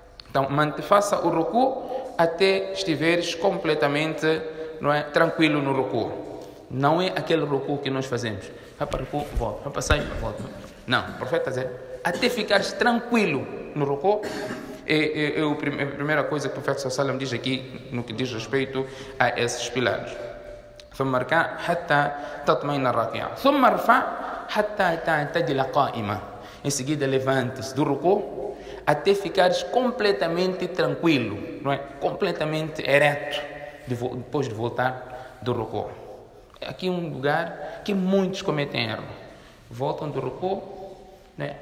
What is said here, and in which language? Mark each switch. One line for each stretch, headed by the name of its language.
Portuguese: Então, faça o ruku até estiveres completamente, não é, tranquilo no ruku. Não é aquele ruku que nós fazemos. Vai para o ruku, volta. Vai para sair, volta. Não, o profeta diz, até ficares tranquilo no ruku, é a primeira coisa que o profeta sallallahu alaihi wa sallam diz aqui, no que diz respeito a esses pilares.
Arabic: ثم ركع حتى تطمئن الراكيع ثم ارفع حتى تعتدل قائما.
Portuguese: Em seguida, levante-se do ruku até ficares completamente tranquilo, não é? Completamente ereto depois de voltar do ruku. Aqui é um lugar que muitos cometem erro. Voltam do ruku, não é?